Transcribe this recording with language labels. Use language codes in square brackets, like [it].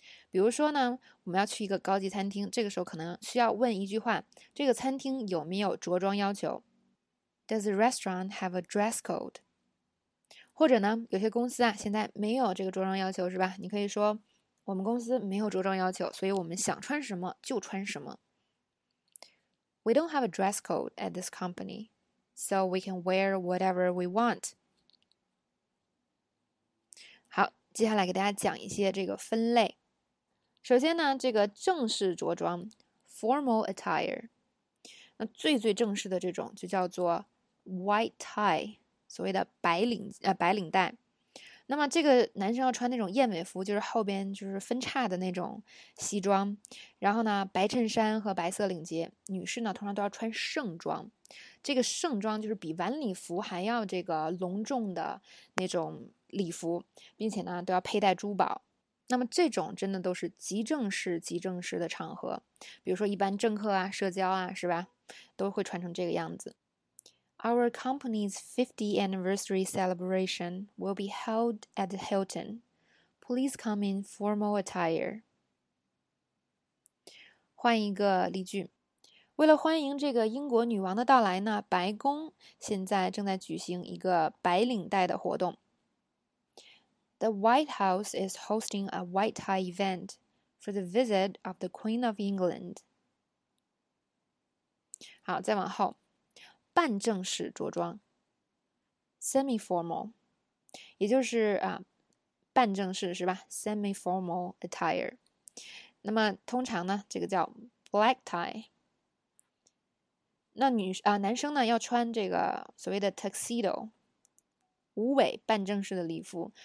[zh] 比如说呢，我们要去一个高级餐厅，这个时候可能需要问一句话：这个餐厅有没有着装要求？ [en] Does the restaurant have a dress code？ [zh] 或者呢，有些公司啊，现在没有这个着装要求，是吧？你可以说。我们公司没有着装要求，所以我们想穿什么就穿什么。 [en] We don't have a dress code at this company, so we can wear whatever we want. [zh] 好，接下来给大家讲一些这个分类。首先呢，这个正式着装 （formal attire），那最最正式的这种就叫做 white tie，所谓的白领带。那么这个男生要穿那种燕尾服，就是后边就是分叉的那种西装，然后呢白衬衫和白色领结。女士呢通常都要穿盛装，这个盛装就是比晚礼服还要这个隆重的那种礼服，并且呢都要佩戴珠宝。那么这种真的都是极正式、极正式的场合，比如说一般政客啊、社交啊，是吧，都会穿成这个样子。 [en] Our company's 50th anniversary celebration will be held at the Hilton. Please come in formal attire. [zh] 换一个例句，为了欢迎这个英国女王的到来呢，白宫现在正在举行一个白领带的活动。 [en] The White House is hosting a white tie event for the visit of the Queen of England. [zh] 好，再往后。半正式着装，semi-formal，也就是半正式是吧？semi-formal attire。那么通常呢，这个叫 black tie。那男生呢要穿这个所谓的 tuxedo，无尾半正式的礼服。